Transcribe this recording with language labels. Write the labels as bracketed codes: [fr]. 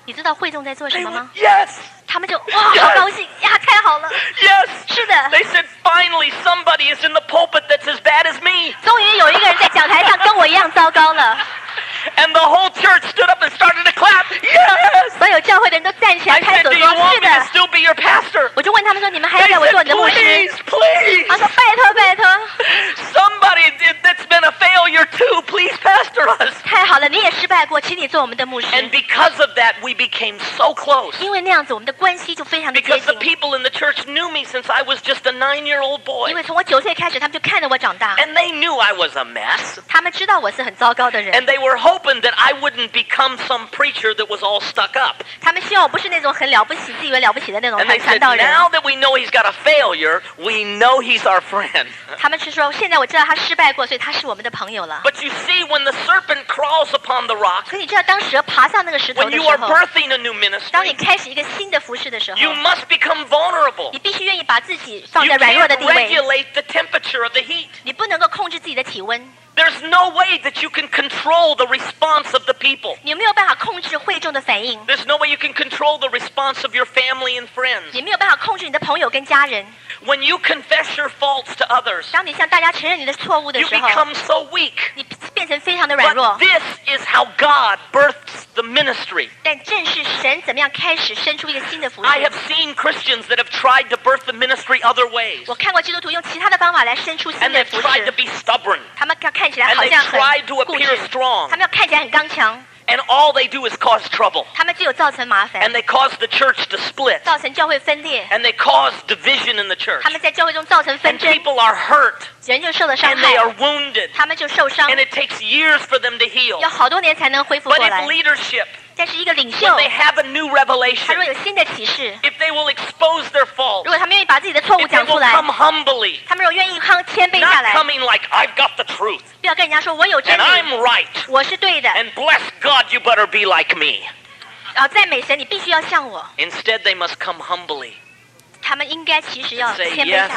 [zh] 你知道会众在做什么吗？ [en] Yes. [zh] 他们就哇，好高兴呀，太好了。 [en] Yes. [zh] 是的。 [en] They said, finally, somebody is in the pulpit that's as bad as me. [zh] 终于有一个人在讲台上跟我一样糟糕了。 [en] And the whole church stood up and started to clap. Yes. [zh] 所有教会的人都站起来拍手说，是的。 [en] I said, do you want me to still be your pastor? [zh] 我就问他们说，你们还要我做你的牧师？ [en] Please, please. [zh] 他说，拜托，拜托。 [en] Somebody that's been a failure too, please pastor us. [zh] 太好了，你也失败过，请你做我们的牧师。 [en] And because of that, we became so close. [zh] 因为那样子，我们的关系就非常的接近。 [en] Because the people in the church knew me since I was just a 9-year-old boy. [zh] 因为从我九岁开始，他们就看着我长大。 [en] And they knew I was a mess. [zh] 他们知道我是很糟糕的人。 [en] And they were hoping that I wouldn't become some preacher that was all stuck up. [zh] 他们希望我不是那种很了不起、自以为了不起的那种传道人。 [en] And they said, now that we know he's got a failure, we know he's our friend. [zh] 他们是说，现在我知道他失败过，所以他是我们的朋友了。 [en] But you see, when the serpent crawls upon the rock, [zh] 可你知道当蛇爬上那个石头的时候 [en] ，when you are birthing a new ministry, [zh] 当你开始一个新的服事的时候 [en] ，you must become vulnerable. [zh] 你必须愿意把自己放在软弱的地位。 [en] You can't regulate the temperature of the heat. [zh] 你不能够控制自己的体温。 [en] There's no way that you can control the response of the people. [zh] 你没有办法控制会众的反应。 [en] There's no way you can control the response of your family and friends. [zh] 你没有办法控制你的朋友跟家人。 [en] When you confess your faults to others, [zh] 当你向大家承认你的错误的时候 [en] ，you become so weak. [zh] 你变成非常的软弱。 [en] But this is how God births the ministry. [zh] 但正是神怎么样开始生出一个新的服事。 [en] I have seen Christians that have tried to birth the ministry other ways. [zh] 我看过基督徒用其他的方法来生出新的服事。 [en] And they've tried to be stubborn. [zh] 他们看起来好像很固执。 [en] And they've tried to appear strong. [zh] 他们要看起来很刚强。 [en] And all they do is cause trouble. [zh] 他们只有造成麻烦。 [en] And they cause the church to split. [zh] 造成教会分裂。 [en] And they cause division in the church. [zh] 他们在教会中造成纷争。 [en] And people are hurt. [zh] 人就受了伤害。 [en] And they are wounded. [zh] 他们就受伤。 [en] And it takes years for them to heal. [zh] 要好多年才能恢复过来。 [en] But if leadership. [zh] 但是一个领袖。 [en] When they have a new revelation. [zh] 他若有新的启示。 [en] If they will expose their faults. [zh] 如果他们愿意把自己的错误讲出来。 [en] If they will come humbly. [zh] 他们若愿意谦卑下来。 [en] Not coming like I've got the truth. [zh] 要跟人家说我有真理 [en] and I'm right. [zh] 我是对的 [en] and bless God, you better be like me. [zh] 赞美神你必须要像我 [en] instead they must come humbly [zh] 他们应该其实要谦卑下来